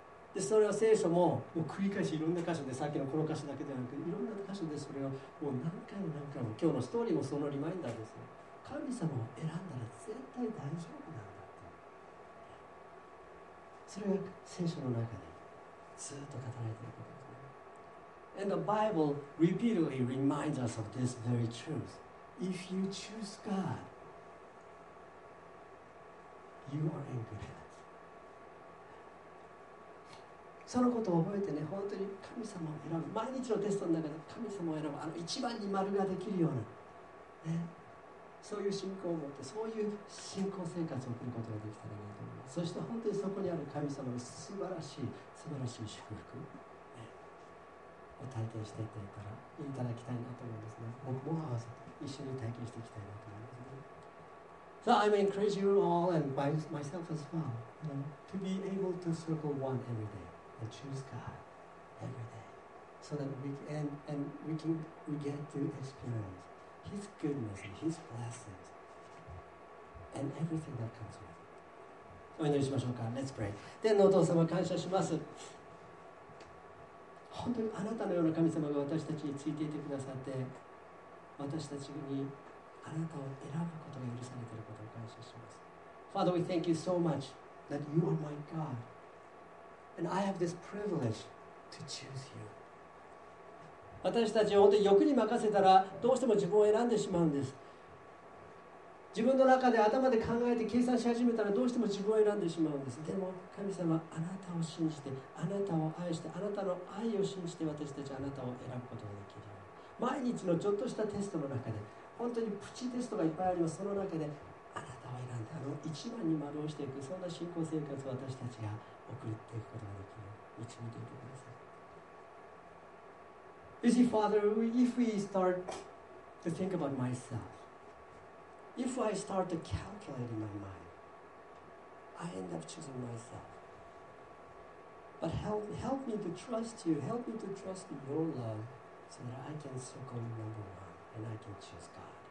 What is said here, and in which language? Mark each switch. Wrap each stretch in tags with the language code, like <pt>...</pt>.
<ja>でそれは聖書 もう繰り返しいろんな箇所でさっきのこの箇所だけではなくいろんな箇所でそれをもう何回も何回も今日のストーリーもそのリマインダーですよ。神様を選んだら絶対大丈夫なんだって。それが聖書の中でずっと語られていることですね。</ja> <en>And the Bible repeatedly reminds us of this very truth. If you choose God, you are in good hands.</en> <ja>そのことを覚えてね、本当に神様を選ぶ。毎日のテストの中で神様を選ぶ。あの一番に丸ができるような、ね。そういう信仰を持って、そういう信仰生活を送ることができたらなと思います。そして本当にそこにある神様の素晴らしい、素晴らしい祝福、ね、を体験していただいたら、いただきたいなと思うんですね。僕も合わせて一緒に体験していきたいなと思いますね。</ja> <en>So I encourage you all and myself as well, you know, to be able to circle one every day and choose God every day so that we can, and we can we get to experience. His goodness and His blessings and everything that comes with it.</en> <ja>お祈りしましょうか。</ja> <en>Let's pray.</en> <ja>天のお父様、感謝します。本当にあなたのような神様が私たちについていてくださって、私たちにあなたを選ぶことが許されていることを感謝します。</ja> <en>Father, we thank you so much that you are my God and I have this privilege to choose you.</en> <ja>私たちは本当に欲に任せたらどうしても自分を選んでしまうんです。自分の中で頭で考えて計算し始めたらどうしても自分を選んでしまうんです。でも神様、あなたを信じて、あなたを愛して、あなたの愛を信じて、私たちはあなたを選ぶことができるように、毎日のちょっとしたテストの中で、本当にプチテストがいっぱいあります。その中であなたを選んで、あの一番に丸をしていく、そんな信仰生活を私たちが送っていくことができるように導いていてください。</ja> <en>You see, Father, if we start to think about myself, if I start to calculate in my mind, I end up choosing myself. But help me to trust you. Help me to trust your love so that I can circle number one and I can choose God.</en>